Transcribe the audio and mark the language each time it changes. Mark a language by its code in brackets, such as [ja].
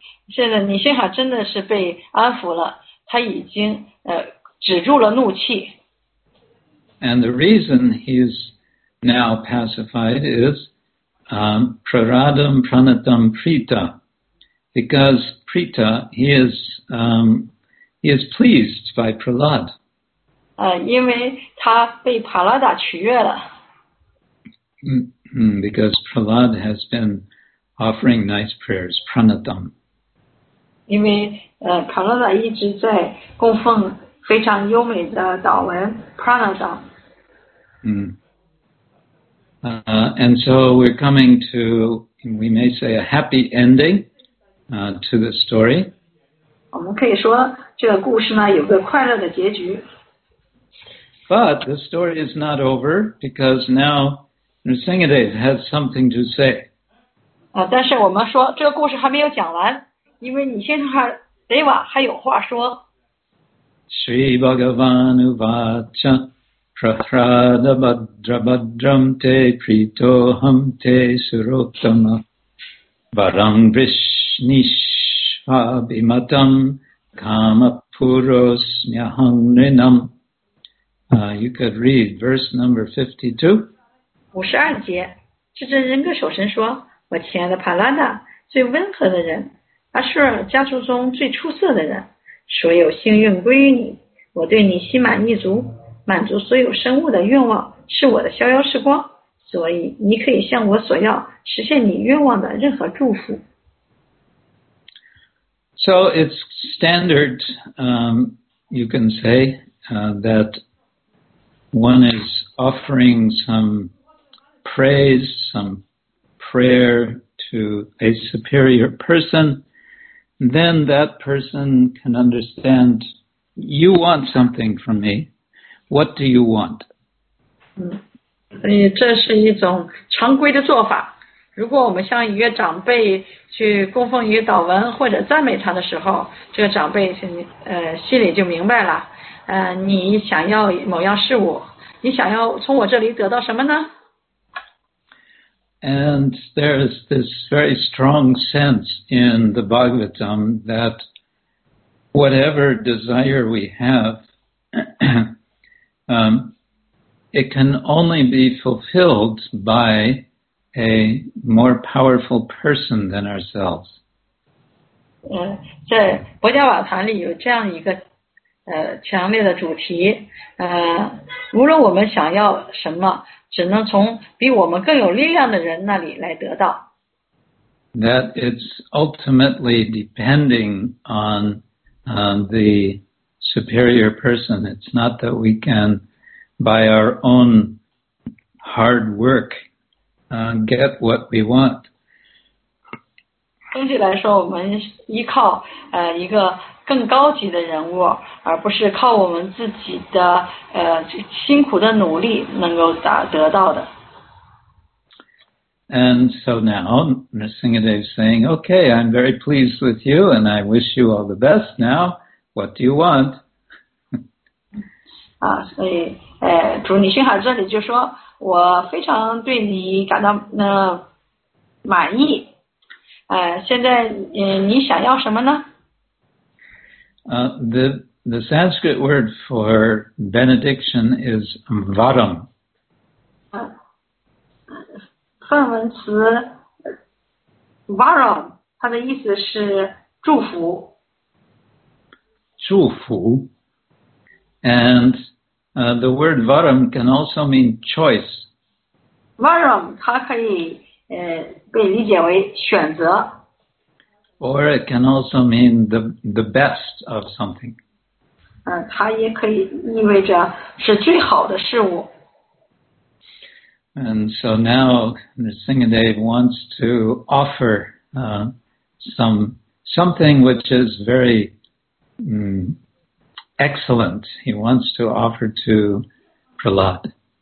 [zh] 现在尼辛哈真的是被安抚了，他已经止住了怒气。 [en] And the reason he's now pacified is [sa] Praradam Pranatam Prita. [en] Because Prita, he is pleased by Prahlad. [zh] 因为他被帕拉达取悦了。 [en] Because Prahlad has been offering nice prayers, pranatam. [zh] 因为帕拉达一直在供奉非常优美的祷文 pranatam. [en] And so we're coming to, we may say, a happy ending. To the story. [zh] 我们可以说这个故事呢有个快乐的结局。 [en] But the story is not over because now Nrsingadev has something to say. [zh] 但是我们说这个故事还没有讲完，因为你先看 Deva 还有话说。 [sa] Sri Bhagavan Uvacha Prahrada Bhadra Bhadram Te Pritoham Te Surottama Varang VishNishvabhimatam Kamapuros Nyahang Rinam. [en] You could read verse number 52. [zh] 52节，智真人格守神说，我亲爱的帕拉达，最温和的人，阿舍尔家族中最出色的人，所有幸运归于你，我对你心满意足，满足所有生物的愿望是我的逍遥时光，所以你可以向我索要实现你愿望的任何祝福。 [en] So it's standard, you can say, that one is offering some praise, some prayer to a superior person, then that person can understand, you want something from me, what do you want? [zh] 这是一种常规的做法。如果我们向一个长辈去供奉一个祷文或者赞美他的时候，这个长辈心里就明白了，你想要某样事物，你想要从我这里得到什么呢？ [en] And there is this very strong sense in the Bhagavatam that whatever desire we have, it can only be fulfilled by a more powerful person than ourselves. [zh] 在薄伽瓦坛里有这样一个强烈的主题，无论我们想要什么，只能从比我们更有力量的人那里来得到。 [en] That it's ultimately depending on the superior person. It's not that we can by our own hard work get what we want. [zh] 总体来说，我们依靠一个更高级的人物，而不是靠我们自己的辛苦的努力能够得到的。 [en] And so now, Nrsingadev is saying, "Okay, I'm very pleased with you, and I wish you all the best. Now, what do you want?" [zh] 所以主尼辛哈这里就说。我非常对你感到满意。现在你想要什么呢？ [en] The Sanskrit word for benediction is varam. [zh] 梵文词 varam 它的意思是祝福。祝福。 [en] And The word varam can also mean choice. [zh] Varam, 它可以被理解为选择。 [en] Or it can also mean the best of something. [zh] 它也可以意味着是最好的事物。 [en] And so now, Nrsimhadeva wants to offer something which is very excellent. He wants to offer to Prahlad.